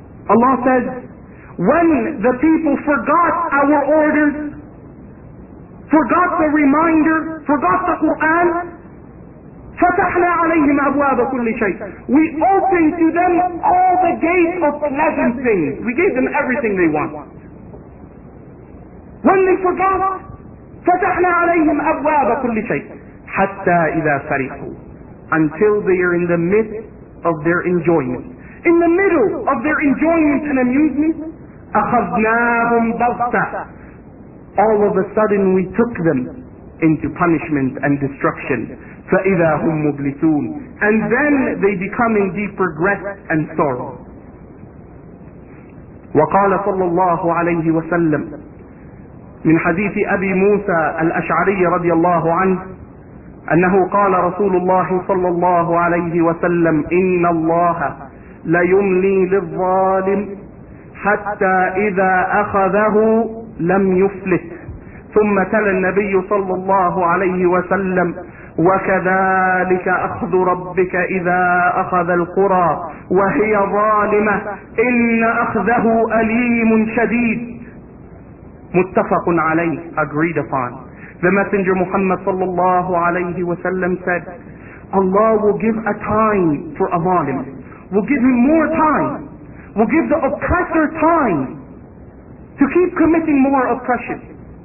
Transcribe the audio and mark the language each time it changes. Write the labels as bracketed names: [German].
[English] Allah says, when the people forgot our orders, forgot the reminder, forgot the Quran, [Arabic] فَتَحْنَا عَلَيْهِمْ أَبْوَابَ كُلِّ شَيْءٍ. [English] We opened to them all the gates of pleasant things. We gave them everything they want. When they forgot, [Arabic] فَتَحْنَا عَلَيْهِمْ أَبْوَابَ كُلِّ شَيْءٍ. حَتَّى إِذَا فَرِحُوا. [English] Until they are in the midst of their enjoyment. In the middle of their enjoyment and amusement, [Arabic] أخذناهم بغتة. [English] All of a sudden we took them into punishment and destruction. [Arabic] فإذا هم مبلسون. [English] And then they become in deep regret and sorrow. [Arabic] وقال صلى الله عليه وسلم من حديث أبي موسى الأشعري رضي الله عنه أنه قال رسول الله صلى الله عليه وسلم إن الله ليملي للظالم حتى إذا أخذه لم يفلت. ثم تلا النبي صلى الله عليه وسلم وكذلك أخذ ربك إذا أخذ القرى وهي ظالمة إن أخذه أليم شديد. متفق عليه. [English] Agreed upon. The Messenger Muhammad صلى الله عليه وسلم said, Allah will give a time for a zalim. Will give him more time. Will give the oppressor time to keep committing more oppression.